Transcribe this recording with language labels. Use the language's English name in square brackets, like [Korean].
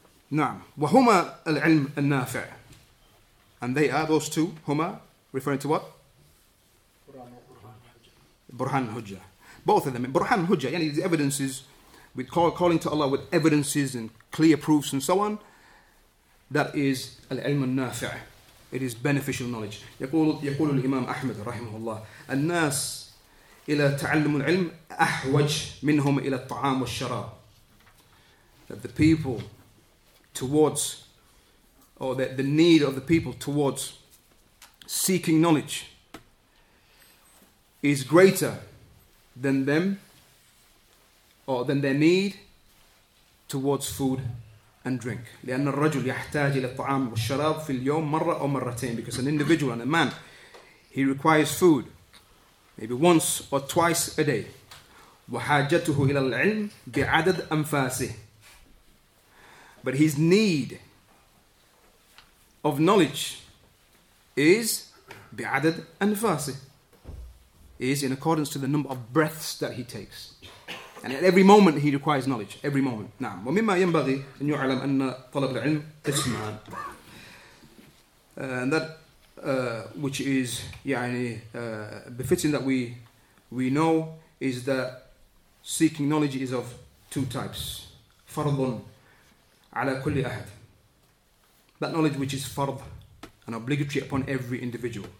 [Arabic] Naam. Wahuma al-ilm al-nafi'. [English] And they are those two. Huma, referring to what? Burhan al-hujjah. Both of them. Burhan al-hujjah. Yani the evidences, with calling to Allah with evidences and clear proofs and so on. That is al-ilm al-nafi'. It is beneficial knowledge. [Arabic] يقول الإمام أحمد رحمه الله الناس إلى تعلم العلم أحوج منهم إلى الطعام والشراب. [English] That the people towards, or that the need of the people towards seeking knowledge is greater than them, or than their need towards food and drink. [Arabic] لأن الرجل يحتاج إلى الطعام والشراب في اليوم مرة أو مرتين. [English] Because an individual and a man, he requires food maybe once or twice a day. [Arabic] وحاجته إلى العلم بعدد أنفاسه. [English] But his need of knowledge is [Arabic] بعدد أنفاسه, [English] is in accordance to the number of breaths that he takes. And at every moment he requires knowledge. Every moment. [Arabic] نعم. ومما ينبغي أن يعلم أن طلب العلم قسمان. [English] And that which is befitting that we know is that seeking knowledge is of two types. [Arabic] فرض على كل أحد. [English] That knowledge which is [Arabic] فرض [English] and obligatory upon every individual.